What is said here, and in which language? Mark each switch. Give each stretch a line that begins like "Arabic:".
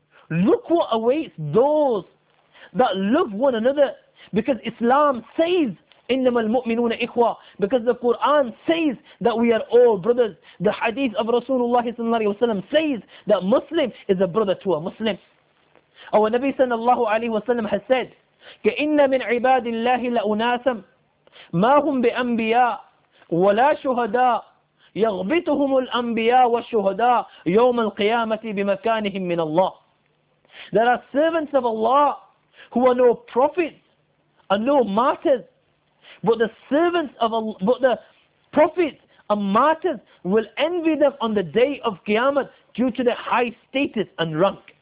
English: Look what awaits those that love one another. Because Islam says,
Arabic: إِنَّمَا الْمُؤْمِنُونَ إِخْوَةٌ.
English: Because the Quran says that we are all brothers. The hadith of Rasulullah says that Muslim is a brother to a Muslim. Our Nabi sallallahu alayhi wa sallam has said,
Arabic: كَإِنَّ مِنْ عِبَادِ اللَّهِ لَأُنَاسًا مَا هُمْ بِأَنْبِيَاءِ وَلَا شُهَدَاءِ يَغْبِطُهُمُ الْأَنْبِيَاءُ وَالشُّهَدَاءُ يَوْمَ الْقِيَامَةِ بِمَكَانِهِمْ مِنَ اللَّهِ.
English: There are servants of Allah who are no prophets and no martyrs, but the servants of Allah, but the prophets and martyrs will envy them on the day of Qiyamah due to their high status and rank.